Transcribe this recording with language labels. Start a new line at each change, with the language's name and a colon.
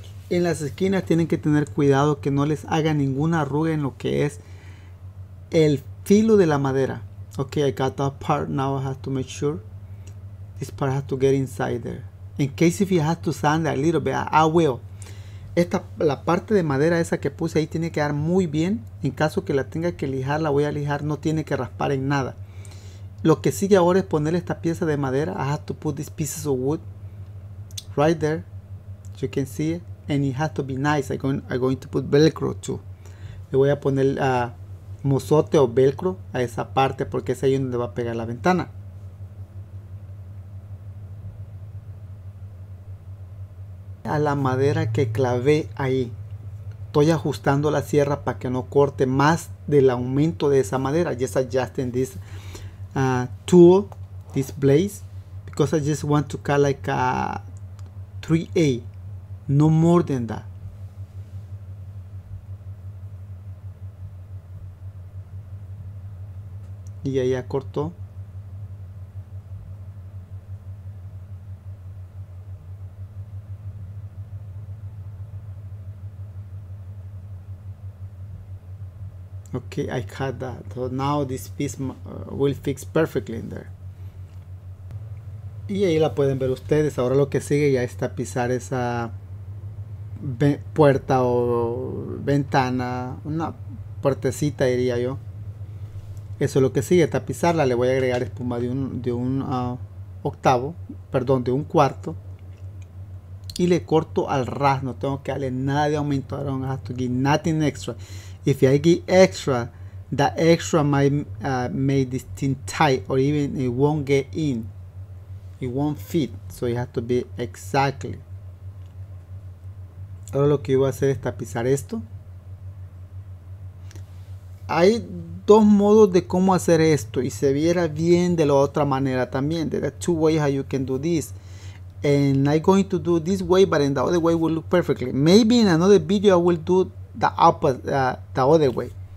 Spanish: En las esquinas tienen que tener cuidado que no les haga ninguna arruga en lo que es el filo de la madera.
English: Ok, I got that part. Now I have to make sure this part has to get inside there. In case if you have to sand a little bit, I will.
Spanish: La parte de madera esa que puse ahí tiene que quedar muy bien. En caso que la tenga que lijar, la voy a lijar. No tiene que raspar en nada. Lo que sigue ahora es poner esta pieza de madera.
English: I have to put these pieces of wood right there. You can see it. And it has to be nice. I'm going to put velcro too.
Spanish: Le voy a poner mozote o velcro a esa parte porque es ahí donde va a pegar la ventana. A la madera que clavé ahí. Estoy ajustando la sierra para que no corte más del aumento de esa madera.
English: Just adjusting this tool, this blade, because I just want to cut like a 3A. No more than that.
Spanish: Y ahí ya cortó.
English: Okay, I cut that. So now this piece will fix perfectly in there.
Spanish: Y ahí la pueden ver ustedes. Ahora lo que sigue ya está pisar esa puerta o ventana, una puertecita diría yo. Eso es lo que sigue, está pisarla. Le voy a agregar espuma de un octavo, perdón, de un cuarto. Y le corto al ras, no tengo que darle nada de aumento.
English: I don't have to give nothing extra. If I give extra, that extra might make this thing tight or even it won't get in. It won't fit, so it has to be exactly.
Spanish: Ahora lo que voy a hacer es tapizar esto. Hay dos modos de cómo hacer esto y se viera bien de la otra manera también.
English: There are two ways how you can do this. And I'm going to do this way, but in the other way will look perfectly. Maybe in another video I will do the opposite, the other way.